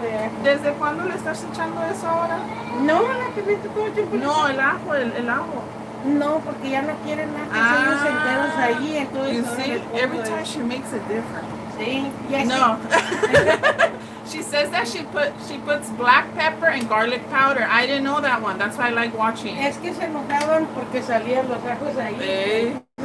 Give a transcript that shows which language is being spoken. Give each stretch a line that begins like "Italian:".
Spanish: de ajo. ¿Desde cuándo le estás echando eso ahora? No, la pimienta todo el tiempo. No, el ajo. No, porque ya no quieren más que los enteros ahí.
English: You see, every time she makes a difference. See? Yes.
Spanish: No.
English: She says that she puts black pepper and garlic powder. I didn't know that one. That's why I like watching.
Spanish: Es que se enojaron porque salían los ajos ahí.